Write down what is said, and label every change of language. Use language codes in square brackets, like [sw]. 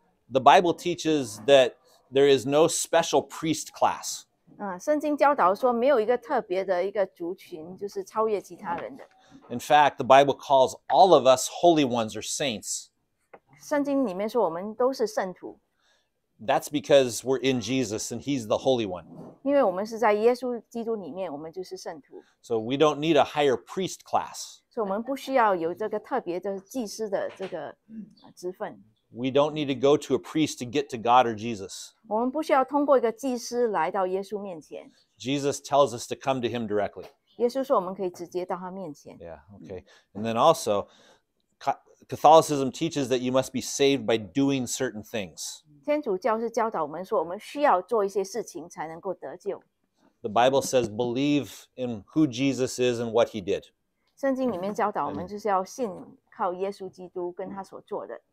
[en] The Bible teaches that there is no special priest class. [zh] 圣经教导说没有一个特别的一个族群，就是超越其他人的。 [en] In fact, the Bible calls all of us holy ones or saints. [zh] 圣经里面说我们都是圣徒。 [en] That's because we're in Jesus and he's the Holy One. [zh] 因为我们是在耶稣基督里面，我们就是圣徒。 [en] So we don't need a higher priest class. [zh] 所以我们不需要有这个特别的祭司的这个职分。 [en] We don't need to go to a priest to get to God or Jesus. [zh] 我们不需要通过一个祭司来到耶稣面前。 [en] Jesus tells us to come to him directly. [zh] 耶稣说我们可以直接到他面前。 [en] Yeah, okay. And then also, Catholicism teaches that you must be saved by doing certain things. [zh] 天主教是教导我们说，我们需要做一些事情才能够得救。 [en] The Bible says believe in who Jesus is and what he did. [zh] 圣经里面教导我们就是要信靠耶稣基督跟他所做的。